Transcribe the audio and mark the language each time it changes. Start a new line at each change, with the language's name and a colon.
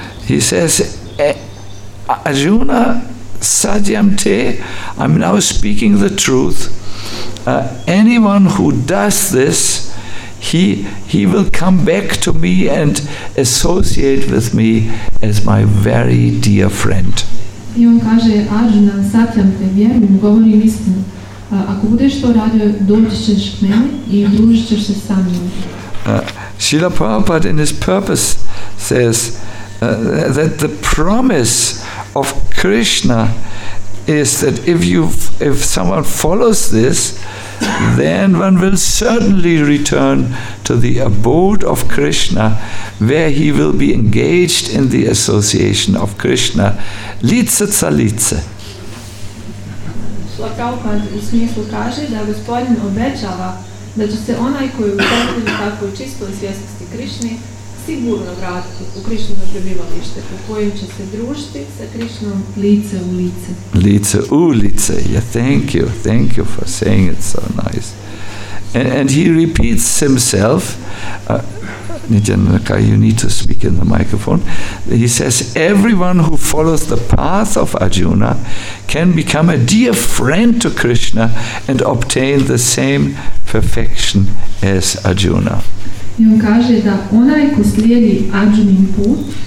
English: He says, Arjuna
Sanskrit: Sadyam te,
English: I'm now speaking the truth. Anyone who does this, he will come back to me and associate with me as my very dear friend.
Bosnian: I on kaže, Arjuna,
Sanskrit: Satyam te,
Bosnian: vjerujem, govorim istinu. Ako budeš to radio, doći ćeš k meni i družit ćeš se sa mnom.
English: Srila Prabhupada in his purpose says that the promise of Krishna is that if someone follows this, then one will certainly return to the abode of Krishna, where he will be engaged in the association of Krishna.
Bosnian: Lice ca lice. Srila Prabhupada u smislu kaže da gospodin obećava da će se onaj koji uspostavi takvu čistu svjesnosti Krišni sigurno vratiti u Krišnino prebivalište po kojem će se družiti sa Krišnom lice u lice. Lice u lice,
English: yeah, thank you for saying it so nice. And he repeats himself, Nityananda, you need to speak in the microphone. He says, everyone who follows the path of Arjuna can become a dear friend to Krishna and obtain the same perfection as Arjuna.
Bosnian: I on kaže da onaj ko slijedi Arjunin put